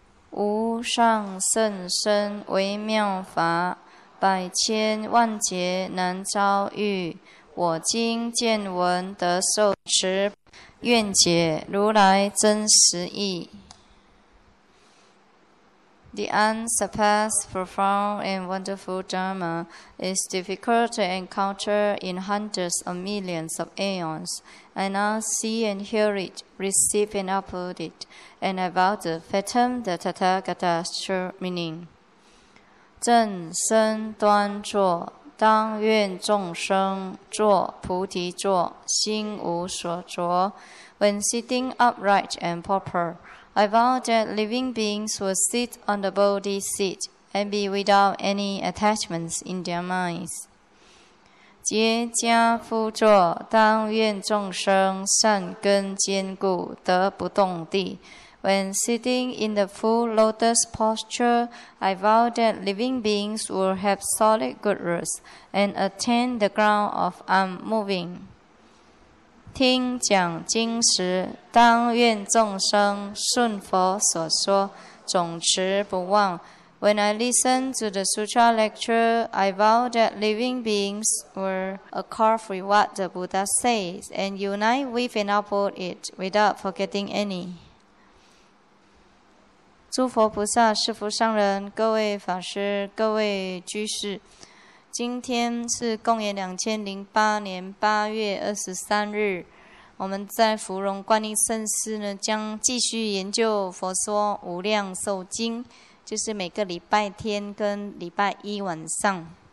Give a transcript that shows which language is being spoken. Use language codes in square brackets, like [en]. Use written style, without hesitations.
[zh] 无上甚深微妙法，百千万劫难遭遇。我今见闻得受持，愿解如来真实义。 [en] The unsurpassed, profound, and wonderful Dharma is difficult to encounter in hundreds of millions of aeons. I now see and hear it, receive and uphold it, and I vow to fathom the Tathagata's true meaning. [zh] 正身端坐，当愿众生坐菩提座，心无所着。 [en] When sitting upright and proper, I vow that living beings will sit on the Bodhi seat and be without any attachments in their minds. [zh] 结跏趺坐，当愿众生善根坚固，得不动地。 [en] When sitting in the full lotus posture, I vow that living beings will have solid good roots and attain the ground of unmoving. [zh] 听讲经时，当愿众生顺佛所说，总持不忘。 [en] When I listen to the sutra lecture, I vow that living beings will accord with what the Buddha says and unite with and uphold it without forgetting any. [zh] 诸佛菩萨、世福上人、各位法师、各位居士，今天是公元2008年8月23日。我们在芙蓉观音圣寺呢，将继续研究《佛说无量寿经》，就是每个礼拜天跟礼拜一晚上。